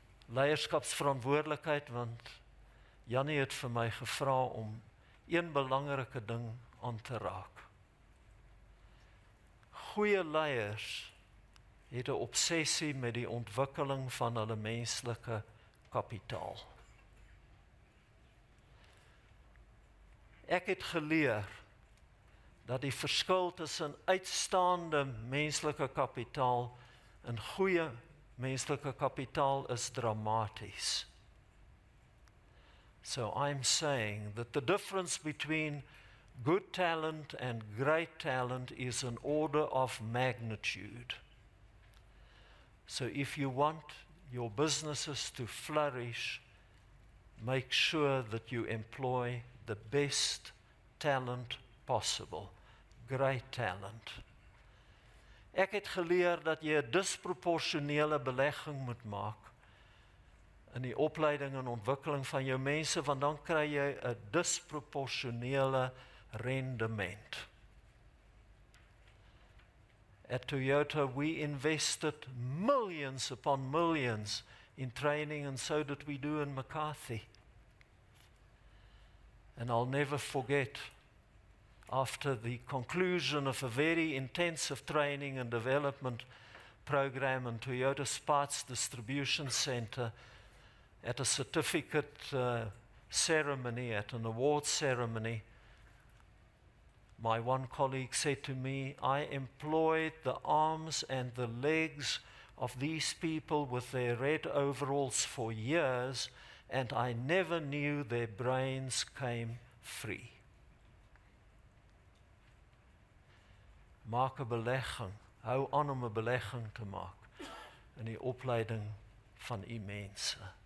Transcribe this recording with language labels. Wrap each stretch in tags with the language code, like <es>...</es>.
<af>Leierskapsverantwoordelikheid, want Jannie het vir my gevra om een belangrike ding aan te raak. Goeie leiers het 'n obsessie met die ontwikkeling van hulle menslike kapitaal. Ek het geleer dat die verskil tussen uitstaande menslike kapitaal en goeie menslike kapitaal is dramatisch.</af> <en>So I'm saying that the difference between good talent and great talent is an order of magnitude. So if you want your businesses to flourish, make sure that you employ the best talent possible, great talent.</en> <af>Ek het geleer dat jy 'n disproportionele belegging moet maak in die opleiding en ontwikkeling van jou mense, want dan kry jy 'n disproportionele rendement.</af> <en>At Toyota, we invested millions upon millions in training, and so did we do in McCarthy. And I'll never forget, after the conclusion of a very intensive training and development program and Toyota's parts distribution center at a certificate ceremony, at an award ceremony, my one colleague said to me, "I employed the arms and the legs of these people with their red overalls for years, and I never knew their brains came free."</en> <af>Maak 'n belegging, hou aan om 'n belegging te maak in die opleiding van u mense.</af>